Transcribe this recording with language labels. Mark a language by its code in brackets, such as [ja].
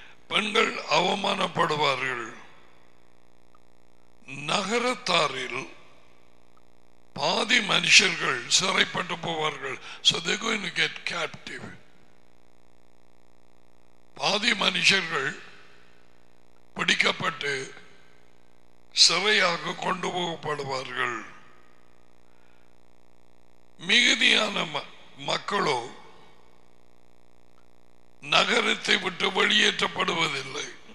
[ta] பெண்கள் அவமானப்படுவார்கள், நகரத்தாரில் பாதி மனுஷர்கள் சிறைப்பட்டு போவார்கள். [en] So they're going to get captive. [ta] பாதி மனுஷர்கள் பிடிக்கப்பட்டு சிறையாக கொண்டு போகப்படுவார்கள். மிகுதியான மக்களோ நகரத்தை விட்டு வெளியேற்றப்படுவதில்லை.